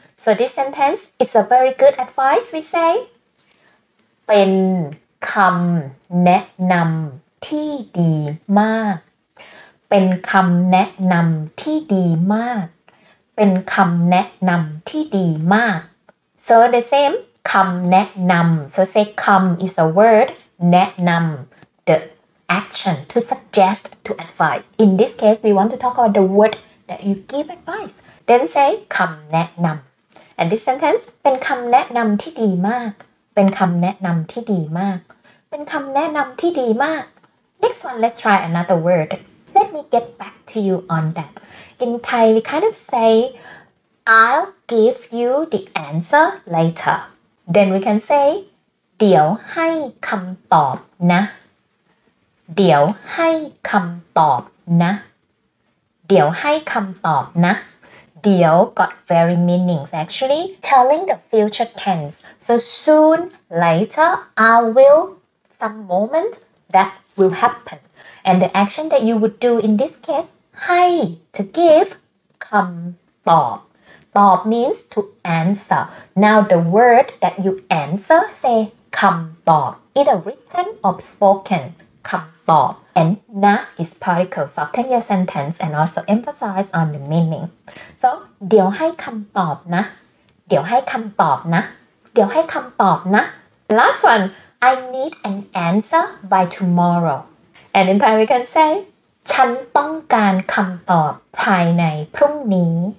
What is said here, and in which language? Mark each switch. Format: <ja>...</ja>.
<en>So this sentence, it's a very good advice. We say</en> <th>เป็นคำแนะนำที่ดีมากเป็นคำแนะนำที่ดีมากเป็นคำแนะนำที่ดีมาก</th> <en>So the sameคำแนะนำ so say come is a word แนะนำ the action to suggest to advise in this case we want to talk about the word that you give advice then say คำแนะนำ and this sentence</en> <th>เป็นคำแนะนำที่ดีมากเป็นคำแนะนำที่ดีมากเป็นคำแนะนำที่ดีมาก</th> <en>next one let's try another word let me get back to you on that in Thai we kind of say I'll give you the answer laterThen we can say,</en> <th>เดี๋ยวให้คำตอบนะ เดี๋ยวให้คำตอบนะ เดี๋ยวให้คำตอบนะ เดี๋ย</th> <en>got very meanings actually, telling the future tense. So soon, later, I will, some moment, that will happen. And the action that you would do in this case, ให้ to give, คำตอบตอบ means to answer. Now the word that you answer say คำตอบ either written or spoken. คำตอบ and นะ is particle soften your sentence and also emphasize on the meaning.</en> <th>So เดี๋ยวให้คำตอบนะเดี๋ยวให้คำตอบนะเดี๋ยวให้คำตอบนะ</th> <en>Last one I need an answer by tomorrow. And in Thai we can say</en> <th>ฉันต้องการคำตอบภายในพรุ่งนี้</th>